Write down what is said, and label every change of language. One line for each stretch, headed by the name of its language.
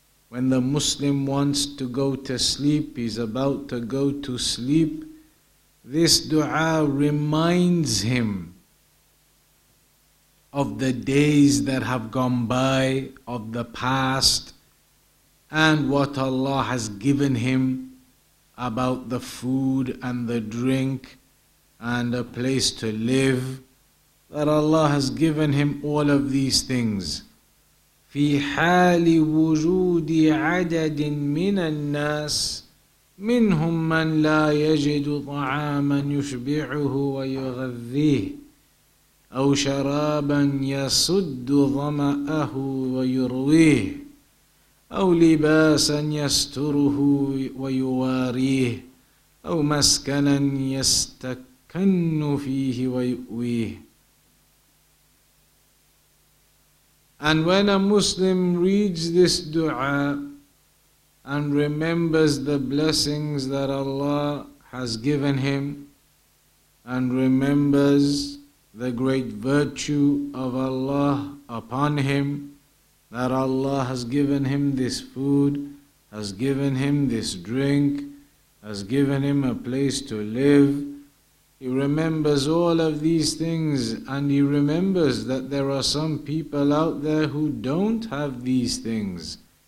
English: When the Muslim wants to go to sleep, he's about to go to sleep, this dua reminds him of the days that have gone by, of the past, and what Allah has given him about the food and the drink and a place to live. That Allah has given him all of these things.
Arabic: في حال وجود عدد من الناس منهم من لا يجد طعاما يشبعه ويغذيه أو شرابا يسد ظمأه ويرويه أو لباسا يستره ويواريه أو مسكنا يستكن فيه ويؤويه.
English: And when a Muslim reads this dua and remembers the blessings that Allah has given him and remembers the great virtue of Allah upon him, that Allah has given him this food, has given him this drink, has given him a place to live, he remembers all of these things, and he remembers that there are some people out there who don't have these things.